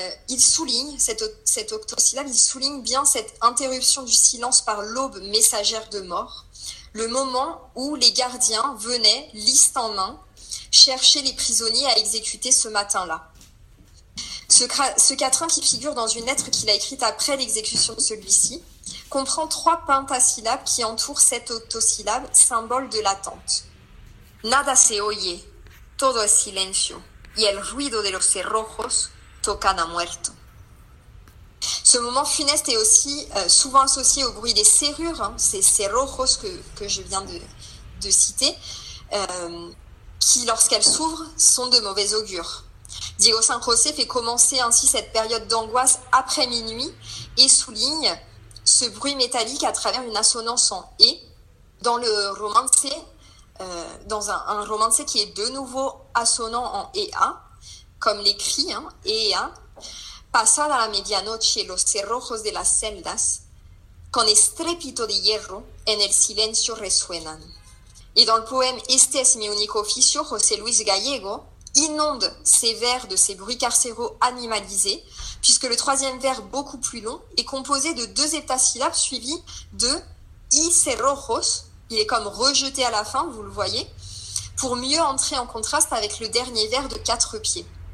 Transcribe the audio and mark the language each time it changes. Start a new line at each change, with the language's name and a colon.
French: il souligne, cet octosyllabe, il souligne bien cette interruption du silence par l'aube messagère de mort, le moment où les gardiens venaient, liste en main, chercher les prisonniers à exécuter ce matin-là. Ce quatrain qui figure dans une lettre qu'il a écrite après l'exécution de celui-ci, comprend 3 pentasyllabes qui entourent cette octosyllabe, symbole de l'attente.
Spanish: Nada se oye, todo es silencio, y el ruido de los cerrojos tocan a muerto.
French: Ce moment funeste est aussi souvent associé au bruit des serrures, hein, ces cerrojos que je viens de citer, qui, lorsqu'elles s'ouvrent, sont de mauvais augure. Diego San José fait commencer ainsi cette période d'angoisse après minuit et souligne ce bruit métallique à travers une assonance en « et » dans le romancé, dans un romancé qui est de nouveau assonant en « ea », comme l'écrit hein, « ea ».
Spanish: Pasada la medianoche, los cerrojos de las celdas, con estrépito de hierro, en el silencio resuenan.
French: Et dans le poème Este es mi único oficio, José Luis Gallego inonde ses vers de ces bruits carcéraux animalisés, puisque le troisième vers, beaucoup plus long, est composé de deux heptasyllabes suivis de
Spanish: y cerrojos.
French: Il est comme rejeté à la fin, vous le voyez, pour mieux entrer en contraste avec le dernier vers de quatre pieds.